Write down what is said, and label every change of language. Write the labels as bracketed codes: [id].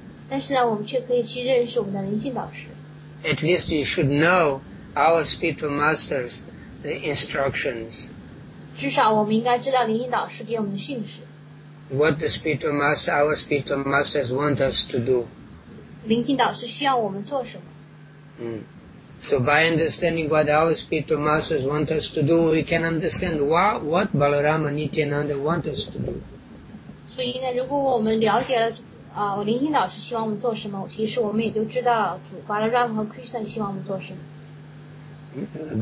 [zh] 但是呢，我们却可以去认识我们的灵性导师。 [en] At least you should know our spiritual master's instructions. [zh] 至少我们应该知道灵性导师给我们的训示。 [en] What the spiritual master, our spiritual masters want us to do. [zh] 灵性导师需要我们做什么？ [en] So by understanding what our spiritual masters want us to do, we can understand what Balarama Nityananda want us to do. [zh] 所以呢，如果我们了解了灵性导师希望我们做什么，其实我们也就知道了主 Balarama 和 Krishna 希望我们做什么。